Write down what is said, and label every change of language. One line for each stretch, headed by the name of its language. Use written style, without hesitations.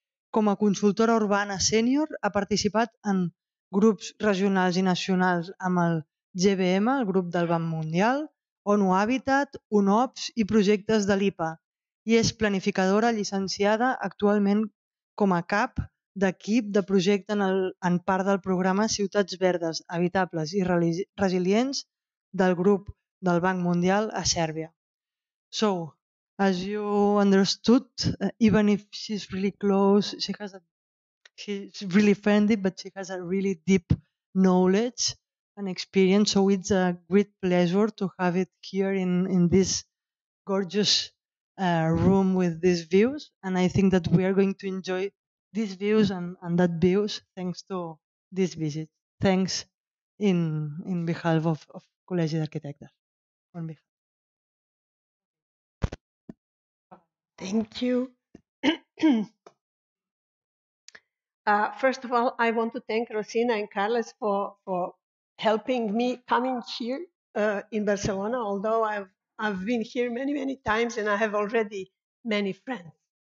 Catalan: Com a consultora urbana sènior, ha participat en grups regionals i nacionals amb el GBM, el grup del Banc Mundial, ONU Habitat, UNOPS i projectes de l'IPA, i és planificadora llicenciada actualment com a cap d'equip de projecte en part del programa Ciutats Verdes, Habitables i Resilients del grup del Banc Mundial a Sèrbia.
English: So, as you understood, even if she's really close, she's really friendly, but she has a really deep knowledge and experience. So it's a great pleasure to have it here in this gorgeous room with these views. And I think that we are going to enjoy these views and that views thanks to this visit. Thanks in behalf of Col·legi d'Arquitectes. Thank you. First of all, I want to thank Rosina and Carles for helping me coming here in Barcelona, although I've been here many, many times and I have already many friends.